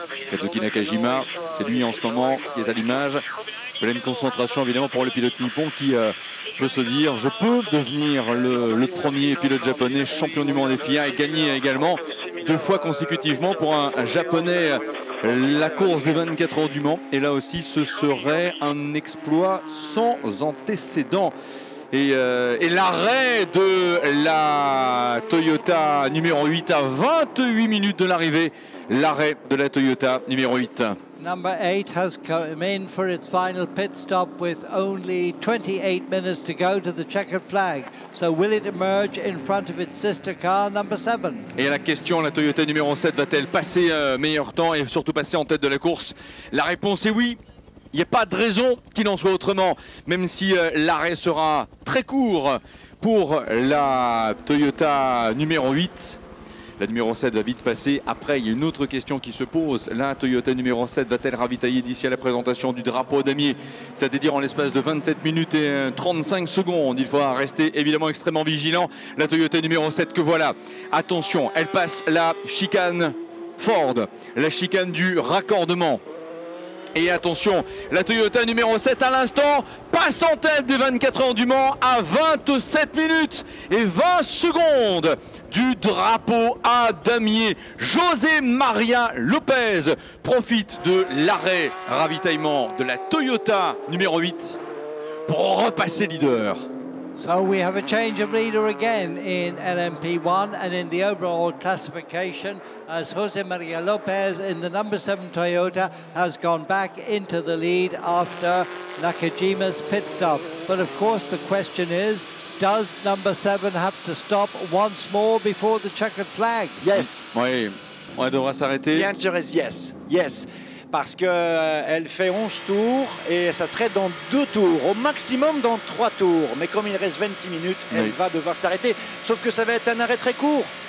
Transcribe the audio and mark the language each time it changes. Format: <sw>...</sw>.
<fr>Katsuki Nakajima, c'est lui en ce moment qui est à l'image. Pleine concentration évidemment pour le pilote nippon qui peut se dire je peux devenir le premier pilote japonais champion du monde des FIA et gagner également deux fois consécutivement pour un japonais la course des 24 heures du Mans. Et là aussi ce serait un exploit sans antécédent. Et l'arrêt de la Toyota numéro 8 à 28 minutes de l'arrivée. L'arrêt de la Toyota numéro 8.</fr> <en>Number 8 has come in for its final pit stop with only 28 minutes to go to the checkered flag. So will it emerge in front of its sister car, number 7?</en> <fr>Et la question, la Toyota numéro 7 va-t-elle passer meilleur temps et surtout passer en tête de la course? La réponse est oui. Il n'y a pas de raison qu'il en soit autrement, même si l'arrêt sera très court pour la Toyota numéro 8. La numéro 7 va vite passer. Après, il y a une autre question qui se pose. La Toyota numéro 7 va-t-elle ravitailler d'ici à la présentation du drapeau d'Amiens? C'est-à-dire en l'espace de 27 minutes et 35 secondes. Il faudra rester évidemment extrêmement vigilant. La Toyota numéro 7 que voilà. Attention, elle passe la chicane Ford, la chicane du raccordement. Et attention, la Toyota numéro 7 à l'instant passe en tête des 24 heures du Mans à 27 minutes et 20 secondes du drapeau à damier. José Maria Lopez profite de l'arrêt ravitaillement de la Toyota numéro 8 pour repasser leader.</fr> <en>So we have a change of leader again in LMP1 and in the overall classification as José Maria Lopez in the number 7 Toyota has gone back into the lead after Nakajima's pit stop. But of course the question is, does number 7 have to stop once more before the checkered flag? Yes.</en> <fr>Oui, on devra s'arrêter.</fr> <en>The answer is yes. Yes.</en> <fr>Parce qu'elle fait 11 tours et ça serait dans 2 tours, au maximum dans 3 tours. Mais comme il reste 26 minutes, elle va devoir s'arrêter. Sauf que ça va être un arrêt très court.</fr>